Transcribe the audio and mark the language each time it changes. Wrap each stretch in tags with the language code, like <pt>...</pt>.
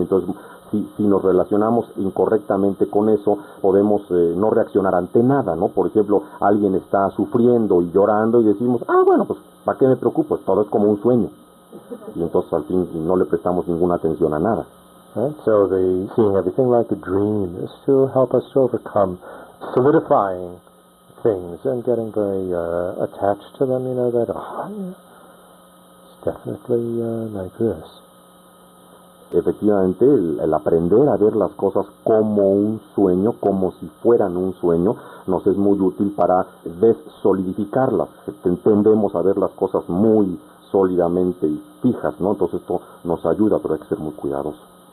<es>Entonces, si nos relacionamos incorrectamente con eso, podemos no reaccionar ante nada, ¿no? Por ejemplo, alguien está sufriendo y llorando y decimos, ah, bueno, pues, ¿para qué me preocupo? Todo es como un sueño. Y entonces al fin no le prestamos ninguna atención a nada.</es> <en>Right. So the seeing everything like a dream is to help us to overcome solidifying things and getting very attached to them, you know, that, oh, yeah, it's definitely like this.</en> <es>efectivamente, el aprender a ver las cosas como un sueño, como si fueran un sueño, nos es muy útil para desolidificarlas. Tendemos a ver las cosas muy sólidamente y fijas, ¿no? Entonces esto nos ayuda, pero hay que ser muy cuidadosos.</es>